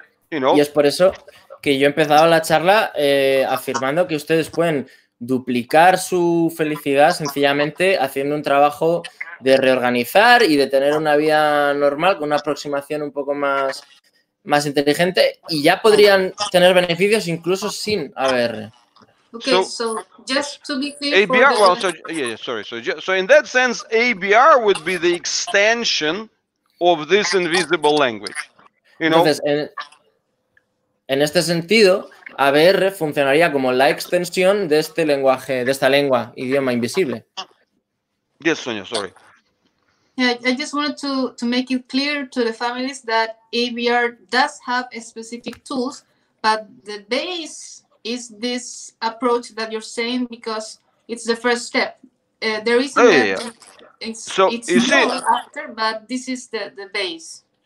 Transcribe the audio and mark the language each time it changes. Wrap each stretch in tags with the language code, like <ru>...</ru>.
<en>You know?</en> <es>Y es por eso que yo he empezado la charla afirmando que ustedes pueden duplicar su felicidad sencillamente haciendo un trabajo de reorganizar y de tener una vida normal con una aproximación un poco más inteligente, y ya podrían tener beneficios incluso sin ABR.</es> <en>Okay, so just to be clear, ABR, well, so yeah, sorry. So in that sense, ABR would be the extension of this invisible language.</en> <es>Entonces, en este sentido, ABR funcionaría como la extensión de este lenguaje, de esta lengua, idioma invisible.</es> <en>Yes, Sonia, sorry. Yeah, I just wanted to make it clear to the families that ABR does have a specific tools, but the base is this approach that you're saying, because it's the first step. There is after, but this is the base.</en>